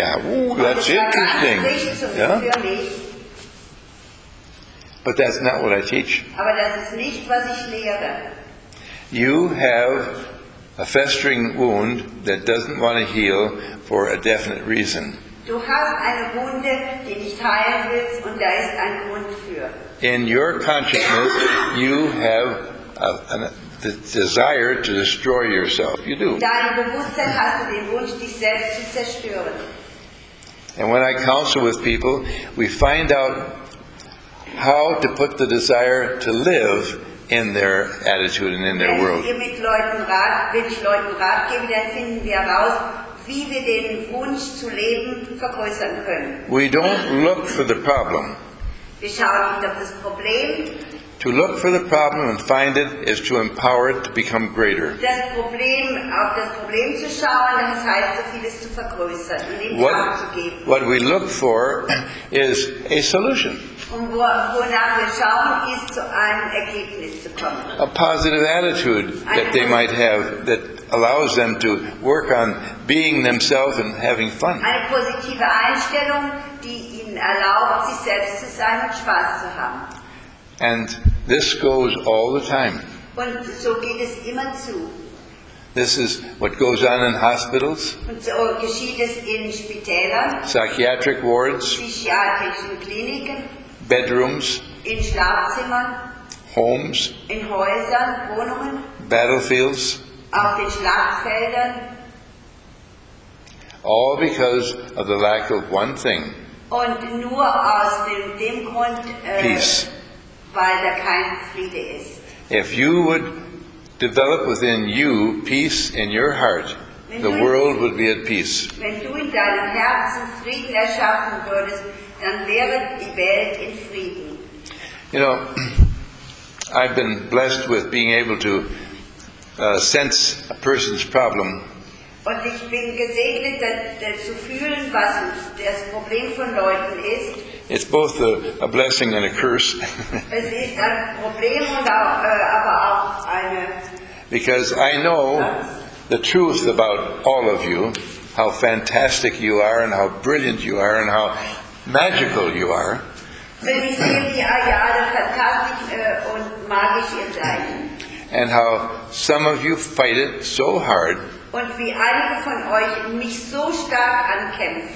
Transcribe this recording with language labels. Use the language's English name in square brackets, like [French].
[English] That's interesting. Yeah? But that's not what I teach. [German] Aber das ist nicht, was ich lehre. [English] You have a festering wound that doesn't want to heal for a definite reason. [German] Du hast eine Wunde, die nicht heilen willst, und da ist ein Grund für. [English] In your consciousness, you have the desire to destroy yourself. You do. [German] In deinem Bewusstsein hast du den Wunsch, dich selbst zu zerstören. [English] And when I counsel with people, we find out how to put the desire to live in their attitude and in their world. [German] Wenn ich Leuten Rat gebe, dann finden wir heraus, wie wir den Wunsch zu leben vergrößern können. [English] We don't look for the problem. [German] Wir schauen nicht auf das Problem. [English] To look for the problem and find it is to empower it to become greater. [German] Das Problem, auf das Problem zu schauen, das heißt, so vieles zu vergrößern, [English] what, [German] Kraft zu geben. [English] What we look for is a solution. [German] Und wonach wir schauen, ist zu einem Ergebnis zu kommen. [English] A positive attitude that they might have that allows them to work on being themselves and having fun. [German] Eine positive Einstellung, die ihnen erlaubt, sich selbst zu sein und Spaß zu haben. [English] And this goes all the time. [German] Und so geht es immer zu. [English] This is what goes on in hospitals. [German] Und so geschieht es in Spitälern. [English] Psychiatric wards. [German] Psychiatrischen Kliniken. [English] Bedrooms. [German] In Schlafzimmern. [English] Homes. [German] In Häusern, Wohnungen. [English] Battlefields. [German] Auf den Schlachtfeldern. [English] All because of the lack of one thing. [German] Und nur aus dem Grund, [English] peace. [German] Weil da kein Friede ist. [English] If you would develop within you peace in your heart, the world would be at peace. [German] Wenn du in deinem Herzen Frieden erschaffen würdest, dann wäre die Welt in Frieden. [English] You know, I've been blessed with being able to sense a person's problem. [German] Und ich bin gesegnet, zu fühlen, was das Problem von Leuten ist. [English] It's both a blessing and a curse. [German] Es ist ein Problem und auch, aber auch eine. [English] Because I know the truth about all of you, how fantastic you are and how brilliant you are and how magical you are. [German] Wenn ich sehe, wie ihr alle fantastisch und magisch ihr seid. [English] And how some of you fight it so hard. [German] Und wie einige von euch mich so stark ankämpfen.